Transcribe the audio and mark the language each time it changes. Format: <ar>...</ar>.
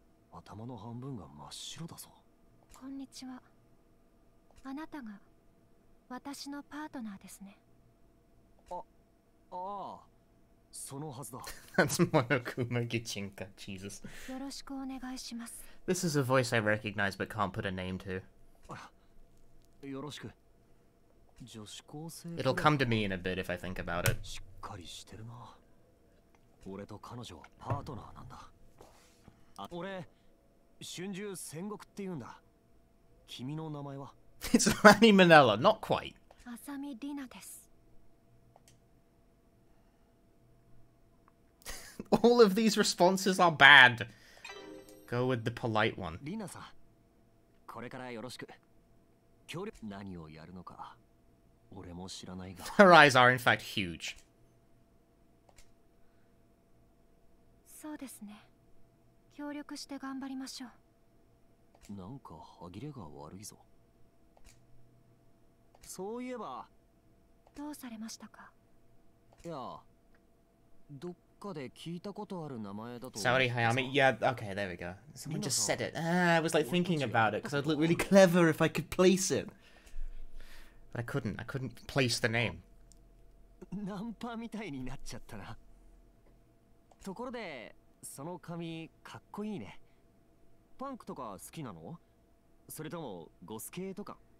<ja>頭の半分が真っ白だぞ。こんにちは。あなたが私のパートナーですね。ああ、そのはずだ。</ja> <en>That's Monokuma Gichinka. Jesus.</en> <ja>よろしくお願いします。</ja> <en>This is a voice I recognize but can't put a name to.</en> <ja>よろしく。女子高生。</ja> <en>It'll come to me in a bit if I think about it.</en> <ja>しっかりしてるな。俺と彼女はパートナーなんだ。あ、俺、春秋戦国って言うんだ。君の名前は？</ja> <en>It's Lani Manella, not quite.</en> <ja>浅見リナです。</ja> <en>All of these responses are bad. Go with the polite one.</en> <ja>リナさん、これからよろしく。協力、何をやるのか。俺も知らないが。</ja> <en>Her eyes are in fact huge.</en> <ja>そうですね。協力して頑張りましょう。なんか歯切れが悪いぞ。そういえば、どうされましたか。いや、どっかで聞いたことある名前だと。</ja> <en>Sorry, Hayami. Yeah, okay, there we go. Someone just said it. I was like thinking about it because I'd look really clever if I could place it. But I couldn't place the name.</en> <ja>ナンパみたいになっちゃったな。ところで、その髪かっこいいね。パンクとか好きなの？それともゴス系とか？</ja>